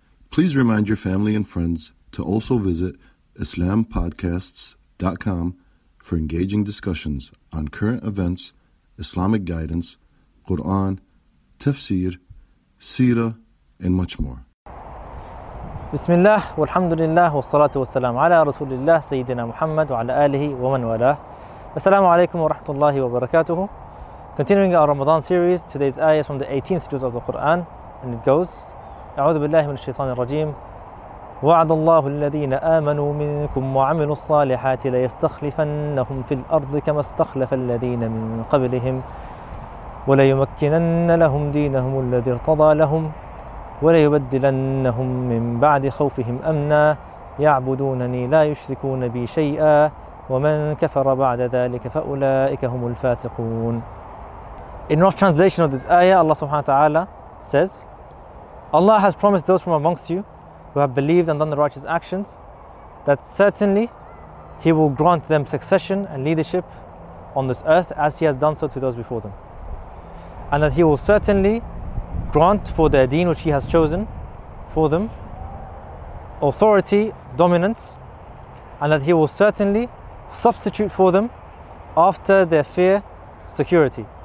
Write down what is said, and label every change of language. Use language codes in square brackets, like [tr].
[en] Please remind your family and friends to also visit IslamPodcasts.com for engaging discussions on current events, Islamic guidance, Quran, tafsir, seerah, and much more. [ar] بسم الله والحمد لله والصلاة والسلام على رسول الله سيدنا محمد وعلى آله ومن والاه السلام عليكم ورحمة الله وبركاته. [en] Continuing our Ramadan series, today's ayah is from the 18th juz of the Quran, and it goes: [ar] أعوذ بالله من الشيطان الرجيم. وعد الله الذين آمنوا منكم وعملوا الصالحات ليستخلفنهم في الأرض كما استخلف الذين من قبلهم وليمكنن لهم دينهم الذي ارتضى لهم وليبدلنهم من بعد خوفهم أمنا يعبدونني لا يشركون بي شيئا ومن كفر بعد ذلك فأولئك هم الفاسقون. [en] In rough translation of this ayah, Allah subhanahu wa ta'ala says, Allah has promised those from amongst you who have believed and done the righteous actions that certainly He will grant them succession and leadership on this earth as He has done so to those before them, and that He will certainly grant for their deen which He has chosen for them authority, dominance, and that He will certainly substitute for them after their fear, security,